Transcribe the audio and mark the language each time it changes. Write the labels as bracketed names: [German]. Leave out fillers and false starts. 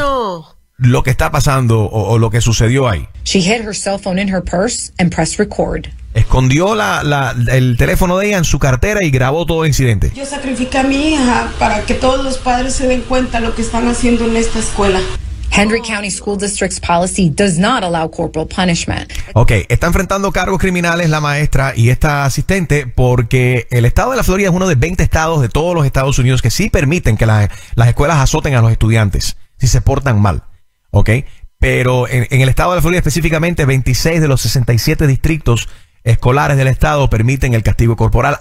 [Spanish] No. Lo que está pasando o lo que sucedió ahí. [English] She hid her cell phone in her purse and pressed record. [Spanish] Escondió el teléfono de ella en su cartera y grabó todo el incidente. Yo sacrifiqué a mi hija para que todos los padres se den cuenta lo que están haciendo en esta escuela. [English] Henry County School District's policy does not allow corporal punishment. [Spanish] Okay, está enfrentando cargos criminales la maestra y esta asistente porque el estado de la Florida es uno de 20 estados de todos los Estados Unidos que sí permiten que las escuelas azoten a los estudiantes si se portan mal, ¿ok? Pero en el estado de la Florida específicamente, 26 de los 67 distritos escolares del estado permiten el castigo corporal.